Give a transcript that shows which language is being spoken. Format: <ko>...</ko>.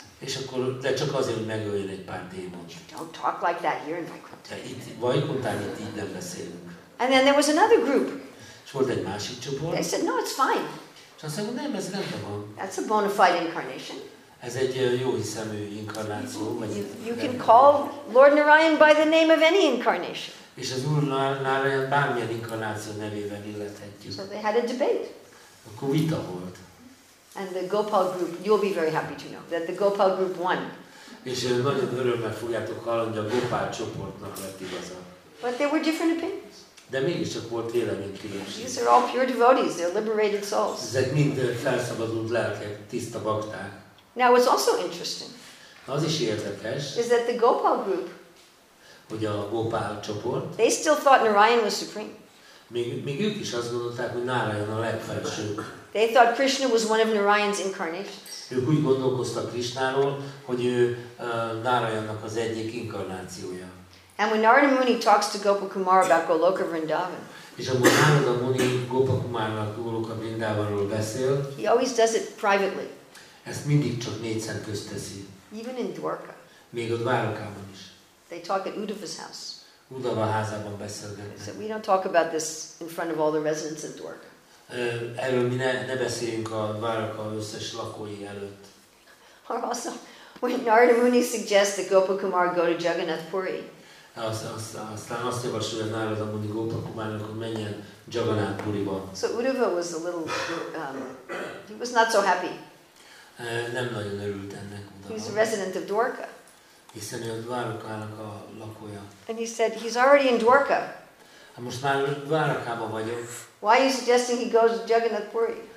<hu>És akkor, de csak azért, hogy megöljön egy pár démont.</hu> <en>Don't talk like that here in Vaikuntha.</en> <hu>Itt Vaikunthán itt így nem beszélünk.</hu> <en>And then there was another group.</en> <hu>És volt egy másik csoport.</hu> <en>They said, no, it's fine.</en> <hu>És azt mondja, nem, ez rendben van.</hu> <en>That's a bona fide incarnation.</en> <hu>Ez egy jó hiszemű inkarnáció.</hu> <en>You can call Lord Narayan by the name of any incarnation.</en> <hu>És az Úr Narayan bármilyen inkarnáció nevében illethetjük.</hu> <en>So they had a debate.</en> <hu>Akkor vita volt.</hu> <en>And the Gopal group, you'll be very happy to know that the Gopal group won.</en> <hu>És nagyon örömmel fogjátok hallani, hogy a Gopal csoportnak lett igaza.</hu> <en>But there were different opinions.</en> <hu>De mégiscsak volt véleménykülönbség.</hu> <en>These are all pure devotees, they're liberated souls.</en> <hu>Ezek mind felszabadult lelkek, tiszta bakták.</hu> <en>Now what's also interesting.</en> <hu>Az is érdekes.</hu> <en>Is that the Gopal group?</en> <hu>Hogy a Gopal csoport.</hu> <en>They still thought Narayan was supreme.</en> <hu>Még ők is azt gondolták, hogy Narayan a legfelsőbb.</hu> <en>They thought Krishna was one of Narayan's incarnations.</en> <hu>Ők úgy gondolkoztak Krishnáról, hogy ő Narayannak az egyik inkarnációja.</hu> <en>And when Narada Muni talks to Gopa Kumar about Goloka Vrindavan.</en> <hu>És amikor Narada Muni Gopa Kumarnak Goloka Vrindavanról beszél.</hu> <en>He always does it privately.</en> <hu>Ezt mindig csak négy szem közt teszi.</hu> <en>Even in Dwarka.</en> <hu>Még a Dwarkában is.</hu> <en>They talk at Uddhava's house.</en> <hu>Uddhava házában beszélgetnek.</hu> <en>So we don't talk about this in front of all the residents of Dwarka.</en> <hu>Erről mi ne beszéljünk a Dwarka összes lakói előtt.</hu> <en>Or also, when Narada Muni suggests that Gopa Kumar go to Jagannath Puri.</en> <hu>Aztán azt javasolja, hogy Narada Muni Gopa Kumarnak, hogy menjen Jagannath Puriba.</hu> <en>So Uddhava was a little, he was not so happy.</en> <hu>Nem nagyon örült ennek.</hu> <en>He's a resident of Dwarka.</en> <hu>Hiszen ő a Dwarkának a lakója.</hu> <en>And he said, he's already in Dwarka.</en> <hu>Hát most már Dwarkában vagyok.</hu> <en>Why are you suggesting he goes to Jagannath Puri?</en>